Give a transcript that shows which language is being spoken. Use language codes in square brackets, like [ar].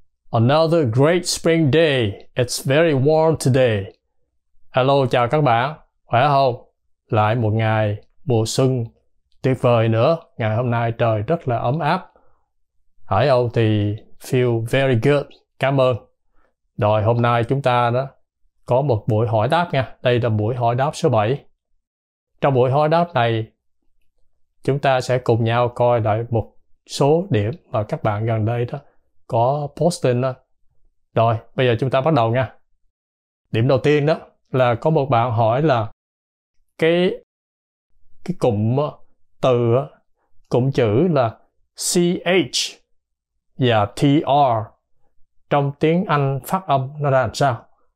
[en] Another great spring day. It's very warm today. [vi] Hello, chào các bạn. Khỏe không? Lại một ngày mùa xuân tuyệt vời nữa. Ngày hôm nay trời rất là ấm áp. Hải Âu thì [en] feel very good. [vi] Cảm ơn. Rồi hôm nay chúng ta đó có một buổi hỏi đáp nha. Đây là buổi hỏi đáp số 7. Trong buổi hỏi đáp này, chúng ta sẽ cùng nhau coi lại một số điểm mà các bạn gần đây đó có posting đó. Rồi, bây giờ chúng ta bắt đầu nha. Điểm đầu tiên đó là có một bạn hỏi là cái cụm từ, cụm chữ là CH và TR trong tiếng Anh phát âm nó ra làm sao?